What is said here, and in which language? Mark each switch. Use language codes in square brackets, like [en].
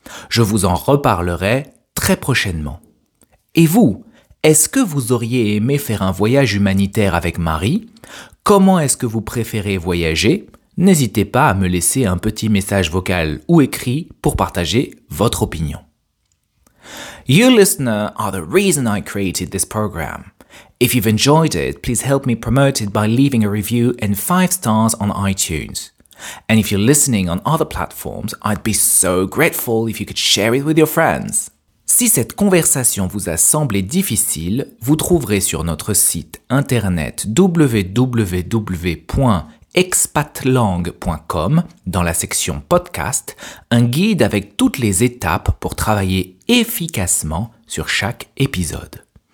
[fr] Je vous en reparlerai très prochainement. Et vous, est-ce que vous auriez aimé faire un voyage humanitaire avec Marie ? Comment est-ce que vous préférez voyager ? N'hésitez pas à me laisser un petit message vocal ou écrit pour partager votre opinion. [en] You, listener, are the reason I created this program. If you've enjoyed it, please help me promote it by leaving a review and 5 stars on iTunes. And if you're listening on other platforms, I'd be so grateful if you could share it with your friends. [fr] Si cette conversation vous a semblé difficile, vous trouverez sur notre site internet www.expatlang.com, dans la section podcast, un guide avec toutes les étapes pour travailler efficacement sur chaque épisode.